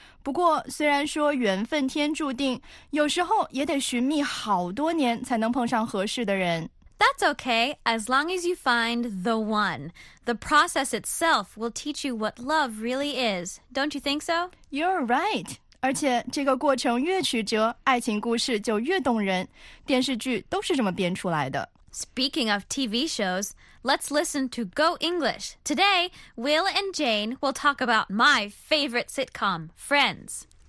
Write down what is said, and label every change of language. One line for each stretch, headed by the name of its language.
Chinese: 不过虽然说缘分天注定，有时候也得寻觅好多年才能碰上合适的人。
English: That's okay, as long as you find the one. The process itself will teach you what love really is, don't you think so? You're right.
Chinese: 而且这个过程越曲折，爱情故事就越动人。电视剧都是这么编出来的。
English: Speaking of TV shows, let's listen to Go English. Today, Will and Jane will talk about my favorite sitcom, Friends.